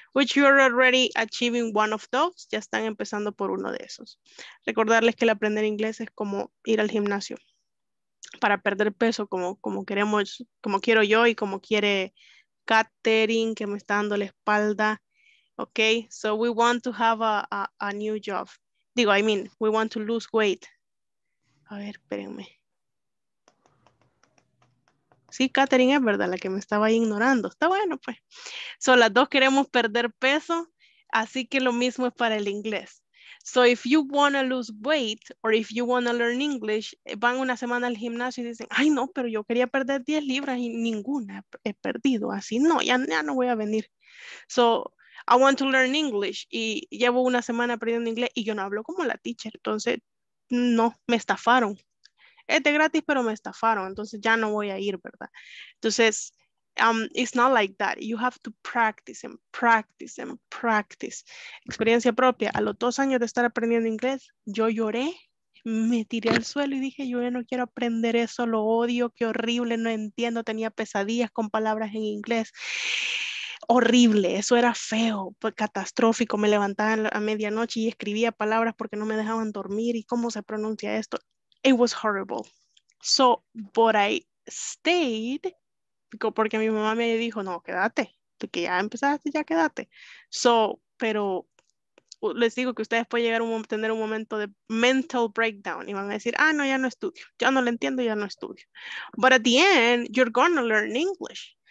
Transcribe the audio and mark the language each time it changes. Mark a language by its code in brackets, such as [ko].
[en] Which you are already achieving one of those. [es] Ya están empezando por uno de esos. Recordarles que el aprender inglés es como ir al gimnasio. Para perder peso como queremos, como quiero yo y como quiere Catherine, que me está dando la espalda. [en] Okay, so we want to have a new job. Digo, I mean, we want to lose weight. [es] A ver, espérenme. Sí, Katherine es verdad, la que me estaba ignorando. Está bueno, pues. So, las dos queremos perder peso, así que lo mismo es para el inglés. [en] So, if you want to lose weight, or if you want to learn English, [es] van una semana al gimnasio y dicen, ay, no, pero yo quería perder 10 libras y ninguna he perdido. Así, no, ya no voy a venir. [en] So, I want to learn English. [es] Y llevo una semana aprendiendo inglés y yo no hablo como la teacher. Entonces, no, me estafaron. Es de gratis, pero me estafaron. Entonces, ya no voy a ir, ¿verdad? Entonces, [en] it's not like that. You have to practice and practice and practice. [es] Experiencia propia. A los 2 años de estar aprendiendo inglés, yo lloré, me tiré al suelo y dije, yo ya no quiero aprender eso, lo odio, qué horrible, no entiendo. Tenía pesadillas con palabras en inglés. Horrible, eso era feo, catastrófico. Me levantaba a medianoche y escribía palabras porque no me dejaban dormir. ¿Y cómo se pronuncia esto? [en] It was horrible. So, but I stayed, [es] porque mi mamá me dijo, no, quédate, que ya empezaste, ya quédate. So, pero les digo que ustedes pueden llegar a tener un momento de mental breakdown y van a decir, ah, no, ya no estudio, ya no lo entiendo, ya no estudio. [en] But at the end, you're going to learn English.